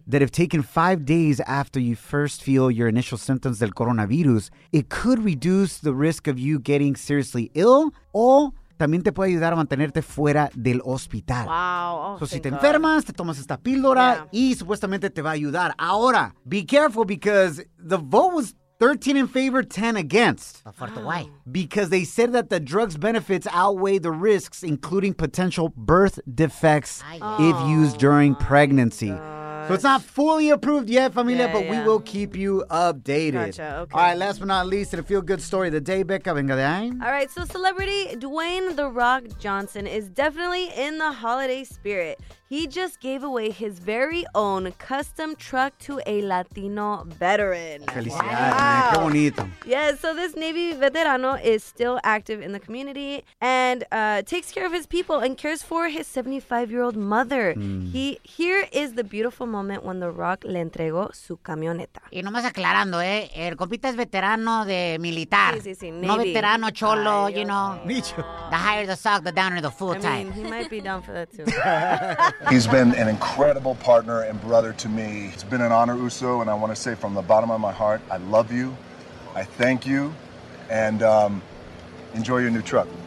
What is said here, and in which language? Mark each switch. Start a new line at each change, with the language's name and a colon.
English: That if taken 5 days after you first feel your initial symptoms
Spanish: del coronavirus,
English: it could reduce the risk of you getting seriously ill or
Spanish: también te puede ayudar a mantenerte fuera del hospital.
English: Wow. Oh, so
Spanish: si te enfermas, te tomas esta píldora y supuestamente te va a ayudar. Ahora,
English: be careful because the vote was 13 in favor, 10 against. But for the why? Because they said that the drug's benefits outweigh the risks, including potential birth defects if used during pregnancy. So it's not fully approved yet,
Spanish: familia,
English: but we will keep you updated. Gotcha, okay. All right, last but not least, a feel-good story of the day, Becca,
Spanish: venga de ahí.
English: All right, so celebrity Dwayne The Rock Johnson is definitely in the holiday spirit. He just gave away his very own custom truck to a Latino veteran.
Spanish: Felicidades,
English: wow. Man.
Spanish: Qué bonito.
English: Yeah, so this Navy veterano is still active in the community and takes care of his people and cares for his 75-year-old mother. Mm. Here is the beautiful moment when The Rock
Spanish: le entregó su camioneta. Y nomás aclarando, el compita es veterano de militar. Sí, sí, sí, Navy. No veterano cholo, ay,
English: you know.
Spanish: Nicho.
English: The higher the sock, the downer the full time. I mean, he might be down for that too. He's been an incredible partner and brother to me. It's been an honor, Uso, and I want to say from the bottom of my heart, I love you, I thank you, and enjoy your new truck.